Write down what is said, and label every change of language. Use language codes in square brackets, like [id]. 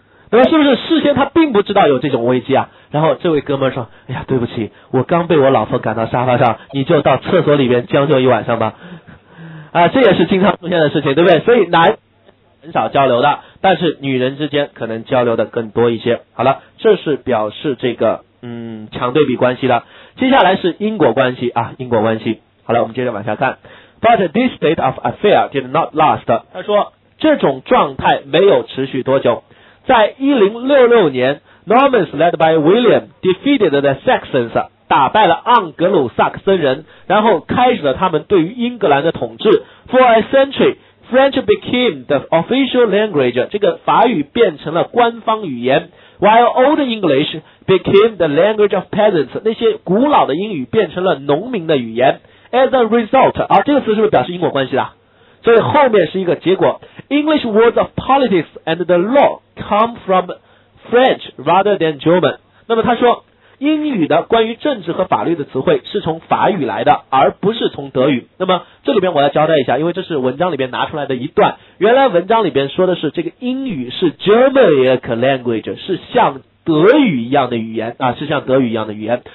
[zh] 那么是不是事先他并不知道有这种危机啊？然后这位哥们说，哎呀对不起，我刚被我老婆赶到沙发上，你就到厕所里面将就一晚上吧。啊，这也是经常出现的事情，对不对？所以男很少交流的，但是女人之间可能交流的更多一些。好了，这是表示这个强对比关系的。接下来是因果关系啊，因果关系。好了，我们接着往下看。 [en] But this state of affair did not last. [zh] 他说这种状态没有持续多久。在1066年 , [en] Normans led by William defeated the Saxons, [zh] 打败了盎格鲁萨克森人，然后开始了他们对于英格兰的统治。 [en] For a century, French became the official language, [zh] 这个法语变成了官方语言。 [en] While old English became the language of peasants, [zh] 那些古老的英语变成了农民的语言。 [en] As a result, [zh] 啊，这个词是不是表示因果关系的？所以后面是一个结果。 [en] English words of politics and the law come from French rather than German. [zh] 那么他说，英语的关于政治和法律的词汇是从法语来的，而不是从德语。那么这里边我要交代一下，因为这是文章里边拿出来的一段。原来文章里边说的是这个英语是 [en] Germanic language, [zh] 是像德语一样的语言啊，是像德语一样的语言。